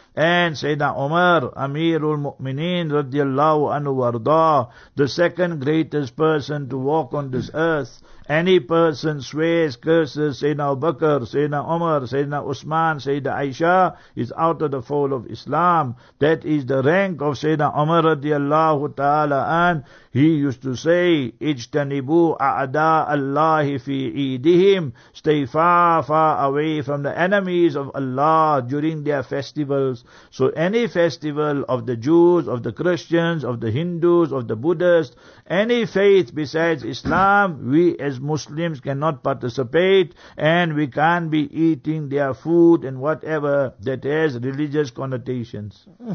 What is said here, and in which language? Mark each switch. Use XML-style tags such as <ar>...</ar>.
<en>And Sayyidina Umar, Amirul Mu'mineen radiallahu anhu warda, the second greatest person to walk on this earth, Any person swears curses Sayyidina Abu Bakr, Sayyidina Umar, Sayyidina Usman, Sayyidina Aisha, is out of the fold of Islam. That is the rank of Sayyidina Umar radiallahu ta'ala an. He used to say,</en> <ar>اجتنبوا أعداء الله في عيدهم.</ar> <en>Stay far, far away from the enemies of Allah during their festivals. So any festival of the Jews, of the Christians, of the Hindus, of the Buddhists, any faith besides Islam, we as Muslims cannot participate, and we can't be eating their food and whatever that has religious connotations.</en>